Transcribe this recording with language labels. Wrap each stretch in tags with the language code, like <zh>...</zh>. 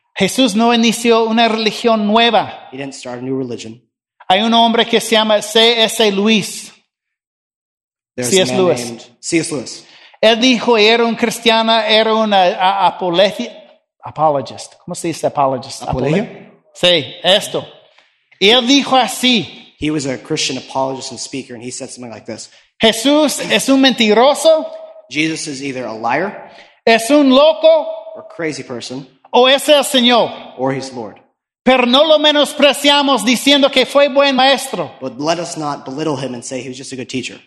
<es>Jesús no inició una religión nueva.</es> <en>He didn't start a new religion.</en> <es>Hay un hombre que se llama C.S.</es> <en>Lewis. C.S. Lewis. C.S. Lewis.</en> <es>Él dijo que era un cristiano, era un apologist. ¿Cómo se dice apologist? Apologia? Sí, esto. Y él dijo así.</es> <en>He was a Christian apologist and speaker, and he said something like this.</en> <es>Jesús es un mentiroso.</es> <en>Jesus is either a liar.</en> <es>Es un loco.</es> <en>Or a crazy person.</en> <es>O es el Señor.</es> <en>Or he's Lord.</en> <es>Pero no lo menospreciamos diciendo que fue buen maestro.</es> <en>But let us not belittle him and say he was just a good teacher.</en>